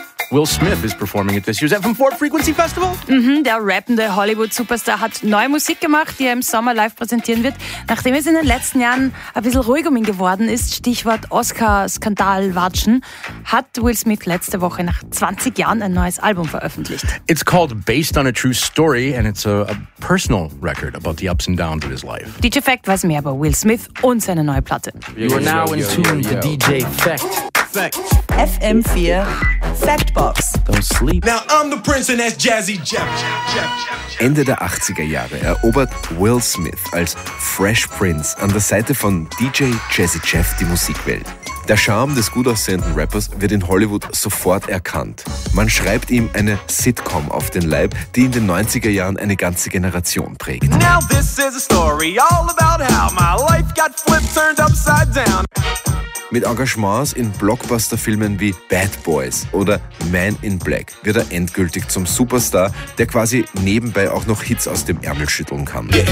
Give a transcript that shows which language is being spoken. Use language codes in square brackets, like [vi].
[en] Will Smith is performing at this year's FM4 Frequency Festival. [de] Mm-hmm, der rappende Hollywood-Superstar hat neue Musik gemacht, die er im Sommer live präsentieren wird. Nachdem es in den letzten Jahren ein bisschen ruhig um ihn geworden ist, Stichwort Oscar-Skandal-Watschen, hat Will Smith letzte Woche nach 20 Jahren ein neues Album veröffentlicht. [en] It's called Based on a True Story and it's a personal record about the ups and downs of his life. [de] DJ Fact weiß mehr über Will Smith und seine neue Platte. [en] You are now in tune with DJ Fact. FM4 Factbox. Don't sleep. Now I'm the prince and that's Jazzy Jeff. [de] Ende der 80er Jahre erobert Will Smith als Fresh Prince an der Seite von DJ Jazzy Jeff die Musikwelt. Der Charme des gut aussehenden Rappers wird in Hollywood sofort erkannt. Man schreibt ihm eine Sitcom auf den Leib, die in den 90er Jahren eine ganze Generation prägt. [en] Now this is a story all about how my life got flipped, turned upside down. [de] Mit Engagements in Blockbuster-Filmen wie Bad Boys oder Man in Black wird er endgültig zum Superstar, der quasi nebenbei auch noch Hits aus dem Ärmel schütteln kann.